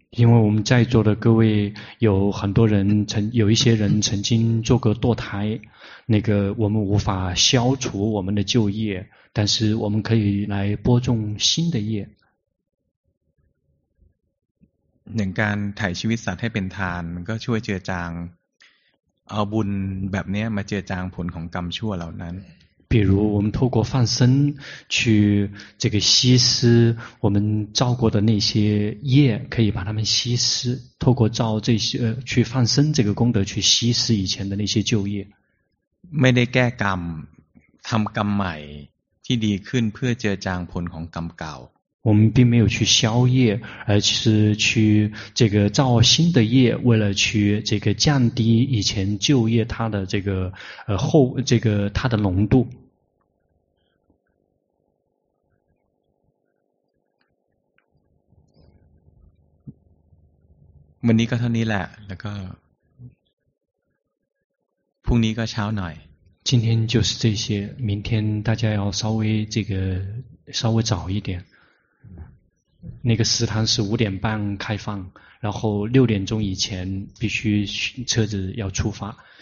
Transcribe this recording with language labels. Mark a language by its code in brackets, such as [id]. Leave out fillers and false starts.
[zh] 因为我们在座的各位有很多人曾有一些人曾经做过堕胎那个我们无法消除我们的旧业但是我们可以来播种新的业 [th] หนึ่งการถ่ายชีวิตสัตว์ให้เป็นทานมันก็ช่วยเจือจางเอาบุญแบบนี้มาเจือจางผลของกรรมชั่วเหล่านั้น [zh] 比如我们透过放生去这个吸湿我们造过的那些业可以把它们吸湿透过造这些去放生这个功德去吸湿以前的那些旧业 [th] ไม่ได้แก้กรรมทำกรรมใหม่ที่ดีขึ้นเพื่อเจือจางผลของกรรมเก่า [zh] 我们并没有去消业而是去这个造新的业为了去这个降低以前旧业它的这个后这个它的浓度 [th] วันนี้ก็เท่านี้แหละแล้วก็พรุ่งนี้ก็เช้าหน่อย [zh] 今天就是这些明天大家要稍微这个稍微早一点那个食堂是五点半开放然后六点钟以前必须车子要出发